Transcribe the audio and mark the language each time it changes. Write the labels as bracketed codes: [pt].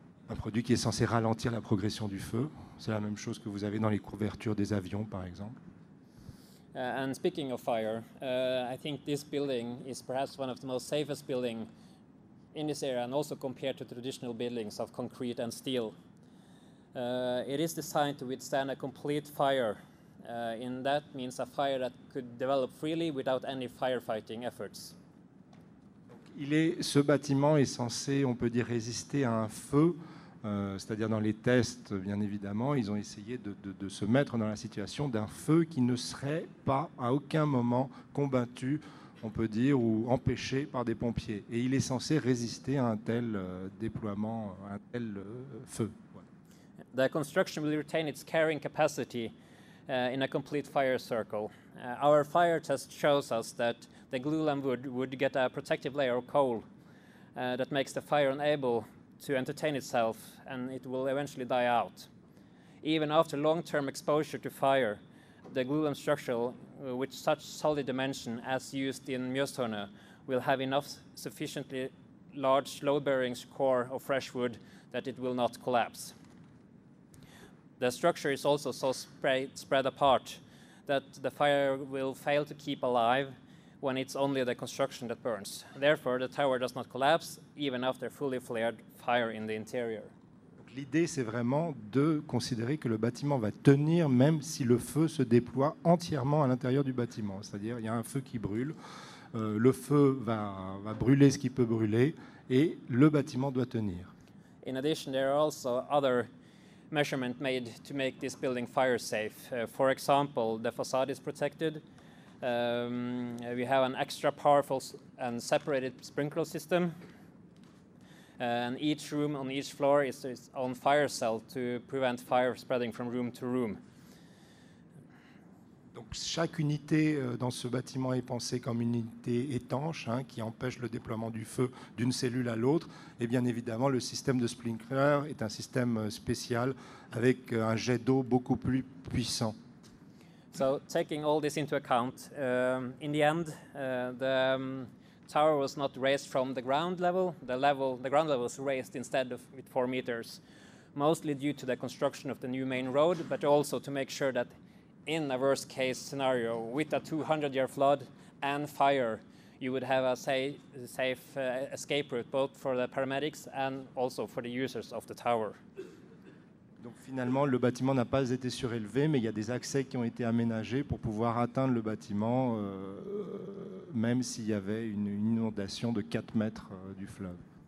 [fr] Un produit qui est censé ralentir la progression du feu. C'est la même chose que vous avez dans les couvertures des avions, par exemple. [en] And speaking of fire, I think this building is perhaps one of the most safest building in this area, and also compared to traditional buildings of concrete and steel. It is designed to withstand a complete fire. And that means a fire that could develop freely without any firefighting efforts. [fr] Ce bâtiment est censé, on peut dire, résister à un feu. C'est-à-dire dans les tests, bien évidemment, ils ont essayé de se mettre dans la situation d'un feu qui ne serait pas à aucun moment combattu, on peut dire, ou empêché par des pompiers. Et il est censé résister à un tel déploiement, à un tel feu. [en] The construction will retain its carrying capacity in a complete fire circle. Our fire test shows us that the glulam would get a protective layer of coal that makes the fire unable to entertain itself, and it will eventually die out. Even after long-term exposure to fire, the glulam structure with such solid dimension as used in Mjøstårnet will have enough sufficiently large load-bearing core of fresh wood that it will not collapse. The structure is also so spread apart that the fire will fail to keep alive when it's only the construction that burns. Therefore, the tower does not collapse even after fully flared fire in the interior. [fr] L'idée, c'est vraiment de considérer que le bâtiment va tenir même si le feu se déploie entièrement à l'intérieur du bâtiment. C'est-à-dire, il y a un feu qui brûle, le feu va brûler ce qui peut brûler, et le bâtiment doit tenir. [en] In addition, there are also other measurements made to make this building fire safe. For example, the facade is protected. We have an extra powerful and separated sprinkler system. And each room on each floor is its own fire cell to prevent fire spreading from room to room. [fr] Donc chaque unité dans ce bâtiment est pensée comme une unité étanche hein, qui empêche le déploiement du feu d'une cellule à l'autre. Et bien évidemment, le système de sprinkler est un système spécial avec un jet d'eau beaucoup plus puissant. [en] So taking all this into account, in the end, the tower was not raised from the ground level. The ground level was raised instead of with 4 meters, mostly due to the construction of the new main road, but also to make sure that in a worst case scenario with a 200-year flood and fire, you would have a safe escape route both for the paramedics and also for the users of the tower. [fr] Donc finalement, le bâtiment n'a pas été surélevé, mais il y a des accès qui ont été aménagés pour pouvoir atteindre le bâtiment, même s'il y avait une inondation de 4 mètres du fleuve.